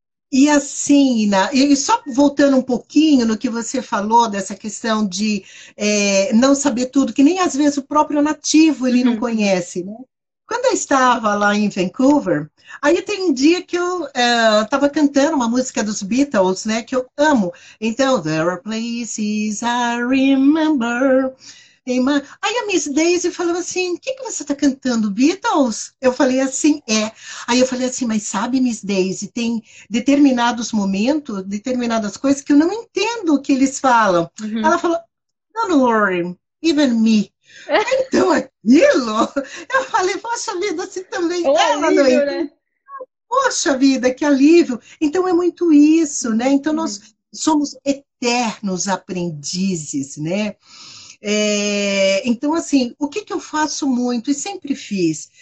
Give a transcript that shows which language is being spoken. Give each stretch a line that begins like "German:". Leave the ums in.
Portuguese: E assim, Ina, e só voltando um pouquinho no que você falou dessa questão de é, não saber tudo, que nem às vezes o próprio nativo ele uhum. não conhece, né? Quando eu estava lá em Vancouver, aí tem um dia que eu estava uh, cantando uma música dos Beatles, né, que eu amo. Então,
English: There are places I remember.
Portuguese: Aí a Miss Daisy falou assim: o que, que você está cantando, Beatles? Eu falei assim: é. Aí eu falei assim: mas sabe, Miss Daisy, tem determinados momentos, determinadas coisas que eu não entendo o que eles falam. Uhum. Ela falou:
English: don't worry, even me.
Portuguese: então aquilo, eu falei: poxa vida, assim também. Oh, ela não entende. Né? Poxa vida, que alívio. Então é muito isso, né? Então uhum. nós somos eternos aprendizes, né? É, então, assim, o que, que eu faço muito e sempre fiz?